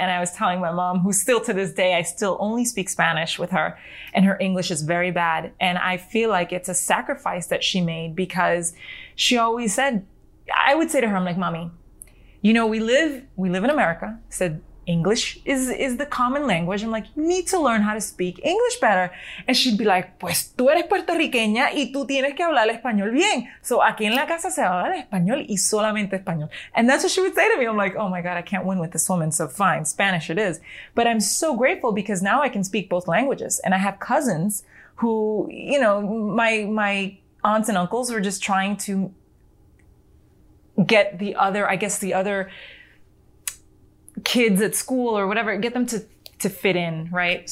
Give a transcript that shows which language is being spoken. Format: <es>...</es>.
<en>And I was telling my mom, who still to this day, I still only speak Spanish with her, and her English is very bad. And I feel like it's a sacrifice that she made, because she always said, I would say to her, I'm like, Mommy, you know, we live in America, said English is the common language. I'm like, you need to learn how to speak English better. And she'd be like,</en> <es>pues tú eres puertorriqueña y tú tienes que hablar español bien. So aquí en la casa se habla español y solamente español.</es> <en>And that's what she would say to me. I'm like, oh my God, I can't win with this woman. So fine, Spanish it is. But I'm so grateful because now I can speak both languages. And I have cousins who, you know, my aunts and uncles were just trying to get the other kids at school or whatever, get them to fit in, right?</en>